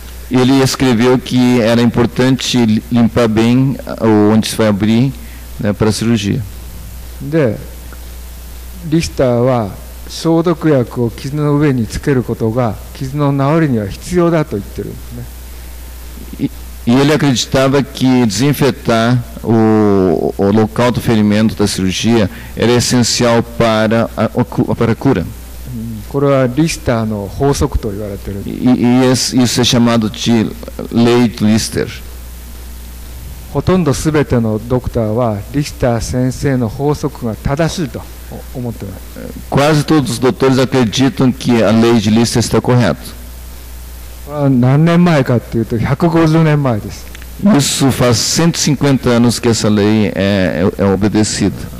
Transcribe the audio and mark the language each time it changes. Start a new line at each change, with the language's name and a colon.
Portuguese: Ele escreveu que era importante limpar bem onde se vai abrir, né, para a cirurgia.
Japanese: De, Lister は消毒薬を傷の上につけることが傷の治りには必要だと言ってるんですね。
Portuguese: E ele acreditava que desinfetar o local do ferimento da cirurgia era essencial para a cura.
Japanese: これはリスターの法則と言われている。
Portuguese: Isso é chamado de lei de Lister.
Japanese: ほとんど全てのドクターはリスター先生の法則が正しいと思っています。
Portuguese: Quase todos os doutores acreditam que a lei de Lister está correta.
Japanese: 何年前かっていうと 150年前です。
Portuguese: Isso faz 150 anos que essa lei é obedecida.